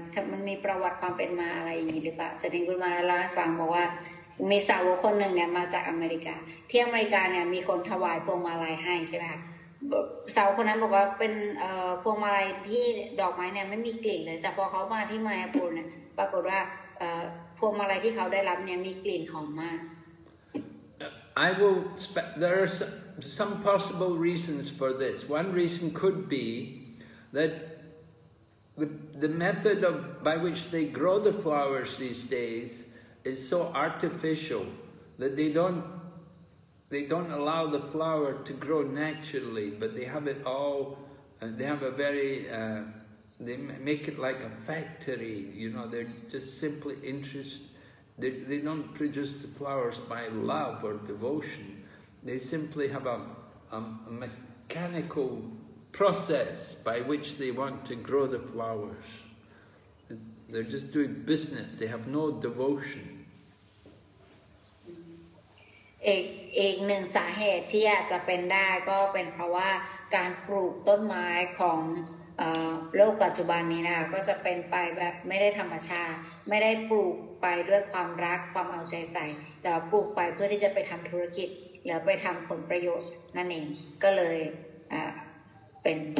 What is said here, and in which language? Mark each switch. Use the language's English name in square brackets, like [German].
[Thai] มันมีประวัติความเป็นมาอะไรอย่างนี้หรือเปล่าสรุปคุณมาลาฟังบอกว่ามีสาวกคนนึงเนี่ยมาจากอเมริกาที่อเมริกาเนี่ยมีคนถวายพวงมาลัยให้ใช่ไหมคะสาวคนนั้นบอกว่าเป็นพวงมาลัยที่ดอกไม้เนี่ยไม่มีกลิ่นเลยแต่พอเขามาที่มายาปุรเนี่ยปรากฏว่าพวงมาลัยที่เขาได้รับเนี่ยมีกลิ่นหอมมาก [English] I will there are some possible reasons for this one reason could be thatthe method of by which they grow the flowers these days is so artificial that they don't allow the flower to grow naturally but they have it all they have a very they make it like a factory you know they're just simply interest they don't produce the flowers by love or devotion they simply have a mechanical process by which they want to grow the flowersThey're just doing business. They have no devotion. [Thai] อีกหนึ่งสาเหตุที่อาจจะเป็นได้ก็เป็นเพราะว่าการปลูกต้นไม้ของโลกปัจจุบันนี้นะก็จะเป็นไปแบบไม่ได้ธรรมชาติไม่ได้ปลูกไปด้วยความรักความเอาใจใส่แต่ปลูกไปเพื่อที่จะไปทำธุรกิจหรือไปทำผลประโยชน์นั่นเองก็เลยเป็น